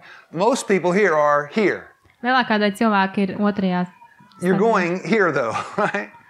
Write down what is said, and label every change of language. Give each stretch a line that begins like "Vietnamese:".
English: Most people here are here.
Latvian: Lielākā daļa cilvēki ir otrajā.
English: You're going here, though, right?